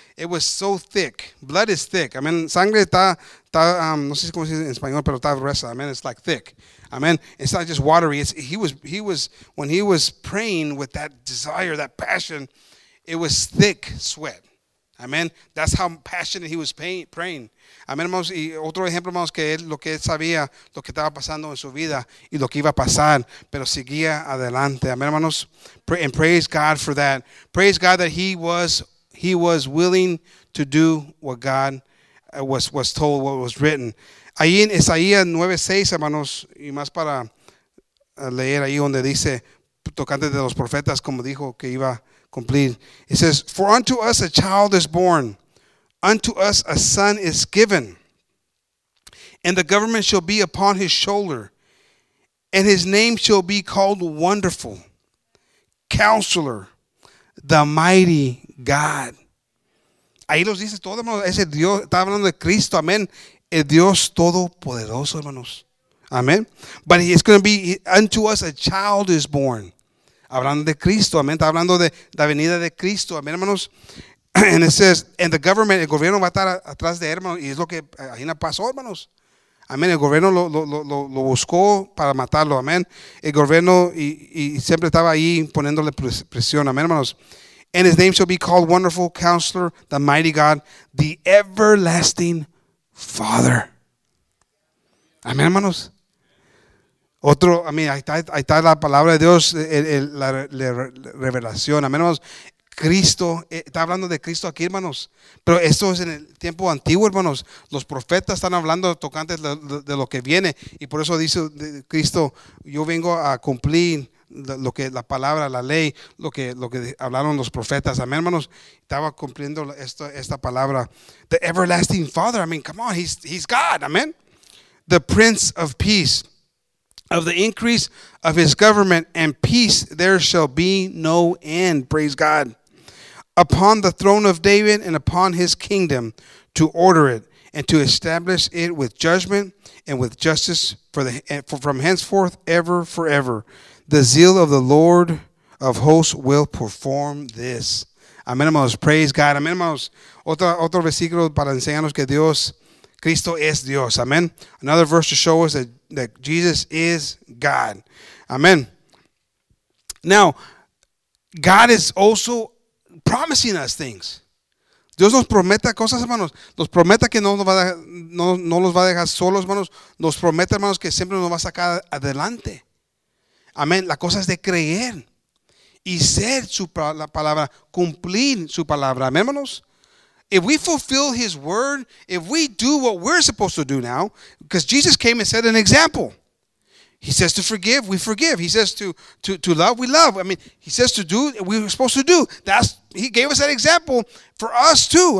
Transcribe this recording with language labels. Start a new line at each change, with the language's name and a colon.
English: It was so thick. Blood is thick. Amen.
Spanish: Sangre está, no sé cómo se dice en español, pero está gruesa.
English: Amen. It's like thick. Amen. It's not just watery. It's he was when he was praying with that desire, that passion, it was thick sweat. Amen. That's how passionate he was praying.
Spanish: Amén, hermanos. Y otro ejemplo, hermanos, que él, lo que él sabía, lo que estaba pasando en su vida y lo que iba a pasar, pero seguía adelante. Amén, hermanos.
English: And praise God for that. Praise God that he was willing to do what God was told, what was written.
Spanish: Ahí en Isaías 9:6, hermanos, y más para leer ahí donde dice, tocante de los profetas, como dijo que iba a cumplir.
English: It says, for unto us a child is born, unto us a son is given, and the government shall be upon his shoulder, and his name shall be called Wonderful, Counselor, the Mighty God.
Spanish: Ahí los dice todo, hermanos. Ese Dios, está hablando de Cristo, amén. El Dios Todopoderoso, hermanos. Amén.
English: But it's going to be, unto us a child is born.
Spanish: Hablando de Cristo, amén. Está hablando de la venida de Cristo, amén, hermanos.
English: And it says, and the government,
Spanish: el gobierno va a estar atrás de él, hermanos. Y es lo que ahí pasó, hermanos. Amén. El gobierno lo buscó para matarlo, amén. El gobierno y siempre estaba ahí poniéndole presión, amén, hermanos.
English: And his name shall be called Wonderful Counselor, the Mighty God, the Everlasting Father.
Spanish: Amén, hermanos. Otro,
English: I mean,
Spanish: ahí está la palabra de Dios, la revelación. Amén, hermanos. Cristo, está hablando de Cristo aquí, hermanos. Pero esto es en el tiempo antiguo, hermanos. Los profetas están hablando tocantes de lo que viene. Y por eso dice Cristo, yo vengo a cumplir lo que la palabra, la ley, lo que hablaron los profetas. Amén, hermanos. Estaba cumpliendo esta palabra.
English: The Everlasting Father. I mean, come on, he's God. Amén. The Prince of Peace. Of the increase of his government and peace, there shall be no end. Praise God. Upon the throne of David and upon his kingdom to order it and to establish it with judgment and with justice from henceforth, ever, forever. The zeal of the Lord of hosts will perform this.
Spanish: Amen, hermanos.
English: Praise God. Amen, hermanos.
Spanish: Otro versículo para enseñarnos que Dios, Cristo es Dios. Amen.
English: Another verse to show us that Jesus is God. Amen. Now, God is also promising us things.
Spanish: Dios nos promete cosas, hermanos. Nos promete que no los va a dejar solos, hermanos. Nos promete, hermanos, que siempre nos va a sacar adelante. Amén. La cosa es de creer y ser su la palabra, cumplir su palabra. Amén, hermanos.
English: If we fulfill his word, if we do what we're supposed to do now, because Jesus came and set an example. He says to forgive, we forgive. He says to love, we love. I mean, he says to do, we were supposed to do. He gave us that example for us too.